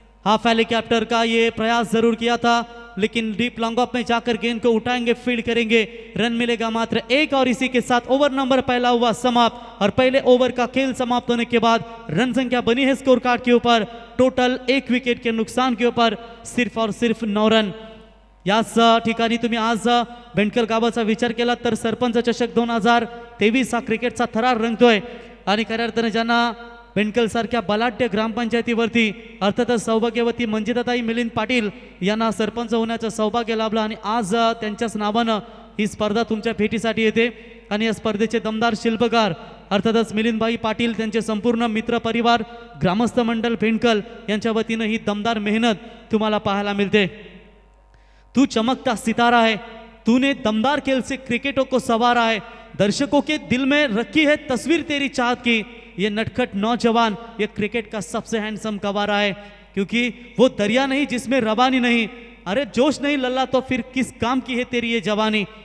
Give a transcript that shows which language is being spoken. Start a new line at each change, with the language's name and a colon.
Hindi: Half helicopter का यह प्रयास जरूर किया था लेकिन डीप लॉन्ग ऑफ में जाकर गेंद को उठाएंगे, फील्ड करेंगे, रन मिलेगा मात्र एक और इसी के साथ ओवर नंबर पहला हुआ समाप्त. और पहले ओवर का खेल समाप्त होने के बाद रन संख्या बनी है स्कोर कार्ड के ऊपर टोटल 1 विकेट के नुकसान के ऊपर सिर्फ और सिर्फ 9 रन.
Marathi: याच ठिकाणी तुम्ही आज बेंडकर गावाचा विचार केला तर सरपंच चषक 2023 हा क्रिकेटचा थरार रंगतोय आणि खऱ्यार्थाने ज्यांना बेंडकरसारख्या बलाढ्य ग्रामपंचायतीवरती अर्थातच सौभाग्यवती मंजिताताई मिलिंद पाटील यांना सरपंच होण्याचं सौभाग्य लाभलं आणि आज त्यांच्याच नावानं ही स्पर्धा तुमच्या भेटीसाठी येते. आणि या स्पर्धेचे दमदार शिल्पकार अर्थातच मिलिंदबाई पाटील त्यांचे संपूर्ण मित्र परिवार ग्रामस्थ मंडळ पेंडकल यांच्या वतीने ही दमदार मेहनत तुम्हाला पाहायला मिळते.
Hindi: तू चमकता सितारा है, तूने दमदार खेल से क्रिकेटों को सवारा है, दर्शकों के दिल में रखी है तस्वीर तेरी चाहत की. ये नटखट नौजवान ये क्रिकेट का सबसे हैंडसम कवारा है, क्योंकि वो दरिया नहीं जिसमें रवानी नहीं, अरे जोश नहीं लल्ला तो फिर किस काम की है तेरी ये जवानी.